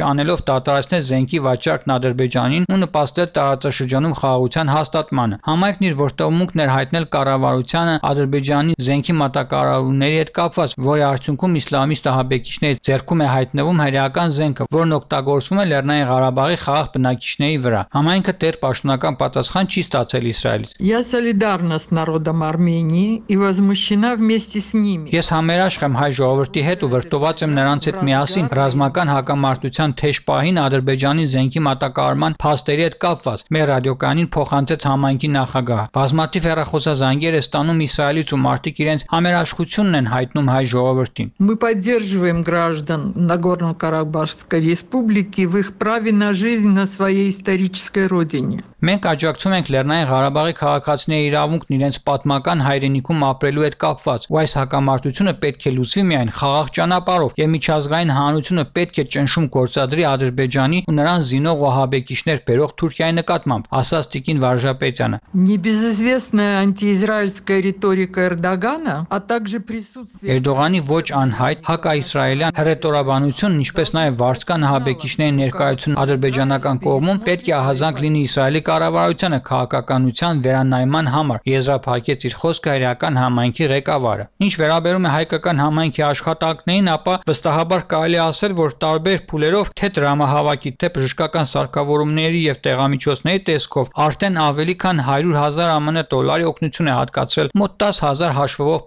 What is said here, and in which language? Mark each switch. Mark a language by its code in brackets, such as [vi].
[hy] անելով դատարացնել զենքի վաճառքն Ադրբեջանին ու նպաստել տարածաշրջանում խաղաղության հաստատմանը։ Համայնքն իր որտեղումն էր հայտնել կառավարությանը Ադրբեջանի զենքի մատակարարման ունների հետ կապված, որի արդյունքում իսլամիստ ահաբեկիչների ձեռքում է հայտնվում հրեական զենքը, որն օգտագործվում է Լեռնային Ղարաբաղի խաղաղ բնակիչների վրա։ Համայնքը դեռ պաշտոնական պատասխան չի ստացել Իսրայելից։ [ru] Я солидарна с народом Армении и возмущена вместе с ними։ [hy] Ես համերաշխ եմ հայ ժողովրդի հետ ու վրտոված եմ նրանց հետ միասին ռազմական հակամարտության թեժ պահին Ադրբեջանի զենքի մատակարարման փաստերի հետ կապված, մեր ռադիոկայանին փոխանցեց համայնքի նախագահ։ Բազմաթիվ հեռախոսազանգեր է ստանում Իսրայելից ու մարդիկ իրենց համերաշխ ուցունն են հայտնում հայ ժողովրդին։ [ru] Мы поддерживаем граждан Нагорно-Карабахской республики в их праве на жизнь на своей исторической родине։ [hy] Մենք աջակցում ենք Լեռնային Ղարաբաղի քաղաքացիների իրավունքն իրենց պատմական հայրենիքում ապրելու հետ կապված, ու այս հակամարտությունը պետք է լուծվի միայն խաղաղ ճանապարհով, եւ միջազգային հանրությունը պետք է ճնշում գործադրի Ադրբեջանի ու նրան զինող ոհաբեկիչներ բերող Թուրքիայի նկատմամբ, ասաց Տիկին Վարժապետյանը։ [ru] Небезызвестная антиизраильская риторика Эрдогана, а также присутствие [hy] Էրդողանի ոչ անհայտ հակաիսրայելյան հռետորաբանությունն, ինչպես նաեւ վարչական ոհաբեկիչների ներկայությունը ադրբեջանական կողմում, պետք է ահազանգ լինի իսրայելական կառավարությունը քաղաքականության վերանայման համար, եզրափակեց իր խոսքը հայկական համայնքի ղեկավարը։ Ինչ վերաբերում է հայկական համայնքի աշխատանքներին, ապա վստահաբար կարելի ասել, որ տարբեր փուլերով, թե դրամահավաքի, թե բժշկական սարքավորումների եւ տեղամիջոցների տեսքով արդեն ավելի քան 100 000 ԱՄՆ դոլարի օգնություն է հատկացրել մոտ 10 000 հաշվով